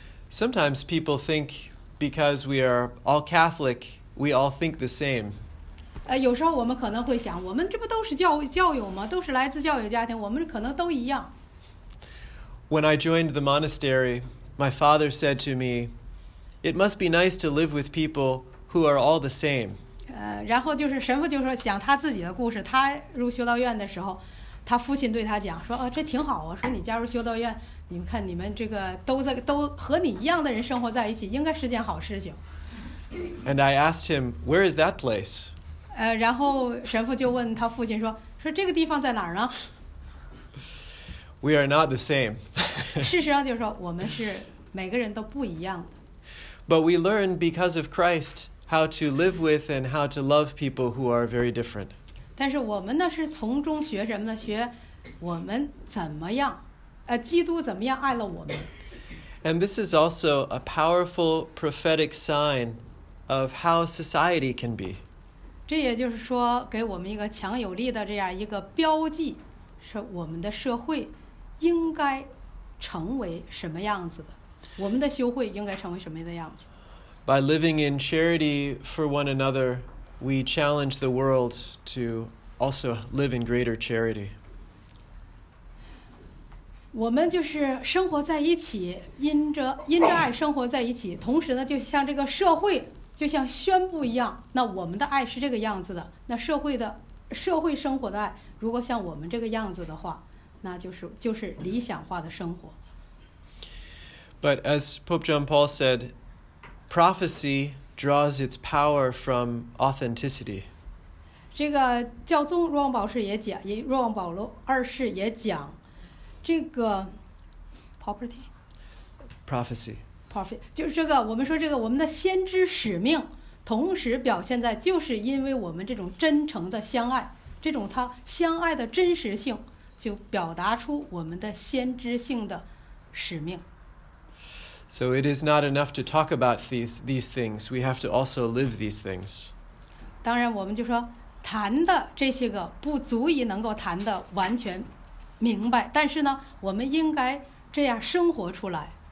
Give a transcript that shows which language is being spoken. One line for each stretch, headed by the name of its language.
English: Sometimes people think because we are all Catholic, we all think the same.
Chinese: 有时候我们可能会想，我们这不都是教友吗？都是来自教友家庭，我们可能都一样。
English: When I joined the monastery, my father said to me, "It must be nice to live with people who are all the same."
Chinese: 然后就是神父就说讲他自己的故事。他入修道院的时候，他父亲对他讲说：“这挺好啊，说你加入修道院，你们看你们这个都和你一样的人生活在一起，应该是件好事情。”
English: And I asked him, where is that place?
Chinese: 然后神父就问他父亲说，说这个地方在哪儿呢？
English: We are not the same.
Chinese: 事实上就是说，我们是每个人都不一样的。
English: But we learn because of Christ how to live with and how to love people who are very different.
Chinese: 但是我们呢，是从中学什么呢？学我们怎么样，基督怎么样爱了我们。
English: And this is also a powerful prophetic sign of how society can be.
Chinese: 这也就是说，给我们一个强有力的这样一个标记，是我们的社会应该成为什么样子的，我们的修会应该成为什么样的样子。
English: By living in charity for one another, we challenge the world to also live in greater charity.
Chinese: 我们就是生活在一起，因着爱生活在一起，同时呢，就像这个社会，就像宣布一样，那我们的爱是这个样子的。那社会生活的爱，如果像我们这个样子的话，那就是理想化的生活。
English: But as Pope John Paul said, prophecy draws its power from authenticity.
Chinese: 这个教宗若望保世也讲，若望保罗二世也讲，这个 property
English: prophecy。
Chinese: 就是这个，我们说这个我们的先知使命，同时表现在就是因为我们这种真诚的相爱，这种他相爱的真实性，就表达出我们的先知性的使命。
English: So it is not enough to talk about these things; we have to also live these things.
Chinese: 当然，我们就说谈的这些个不足以能够谈的完全明白，但是呢，我们应该这样生活出来。